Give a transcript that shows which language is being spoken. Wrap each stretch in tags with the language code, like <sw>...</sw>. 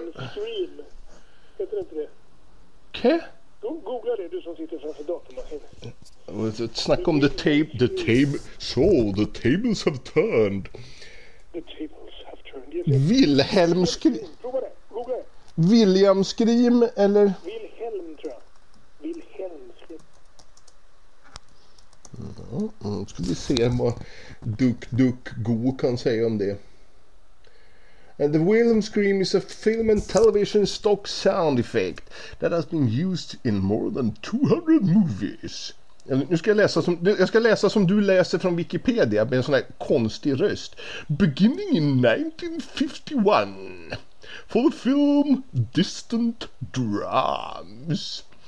<sv>Scream, heter det inte det? Okej. Googla det, du som sitter framför datormaskinen. Snacka om</sv> <en>the tables have turned. The tables have turned. Wilhelm Scream.</en> <sv>Prova det, googla det. William Scream eller... Wilhelm, tror jag. Wilhelm Scream. Ja, nu ska vi se vad Duck Duck Go kan säga om det.</sv> <en>And the Wilhelm Scream is a film and television stock sound effect that has been used in more than 200 movies.</en> <sv>Nu ska jag läsa som du läser från Wikipedia med en sån här konstig röst.</sv> <en>Beginning in 1951 for the film Distant Drums.</en>